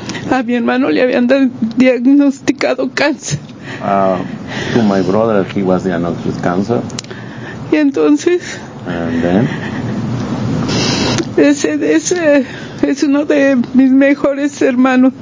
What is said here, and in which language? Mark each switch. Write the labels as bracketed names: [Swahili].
[Spanish] A mi hermano le habían diagnosticado cáncer. [English] To my brother, he was diagnosed with cancer. [Spanish] Y entonces. [English] And then. [Spanish] Ese es uno de mis mejores hermanos.